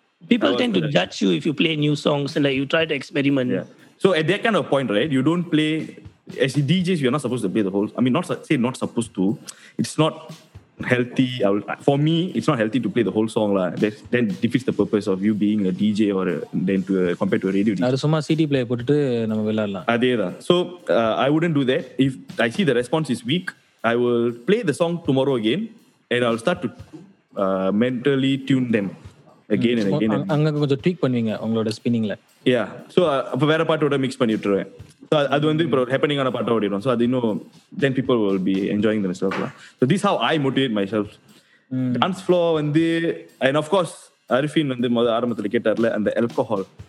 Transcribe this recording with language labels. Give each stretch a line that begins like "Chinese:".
English: People tend to judge you if you play new songs and like you try to experiment. Yeah. So at that kind of point, right, you don't play as DJs, you're not supposed to play the whole, not supposed to, it's not healthy. For me, it's not healthy to play the whole song la. That then defeats the purpose of you being a DJ or compared to a radio DJ.
Tamil: அது சும்மா CD player போட்டு நம்ம விளையாடலாம். அதேதான்.
English: So I wouldn't do that. If I see the response is weak, I will play the song tomorrow again and I'll start to mentally tune them again and again.
Tamil: அங்க கொஞ்சம் tweak பண்ணுவீங்க உங்களோட spinning ல. Yeah. So அப்ப வேற பாட்டோட mix பண்ணி விட்டுருவேன். So அது வந்து இப்போ ஹேப்பனிங் ஆன பாட்டை ஓடிடும்.
English: So அது இன்னும் then people will be enjoying them self. So this how I motivate myself.
Tamil: Dance flow வந்து
English: and of course
Tamil: அரிஃபின் வந்து முதல் ஆரம்பத்தில் கேட்டார்ல அந்த ஆல்கோஹால்.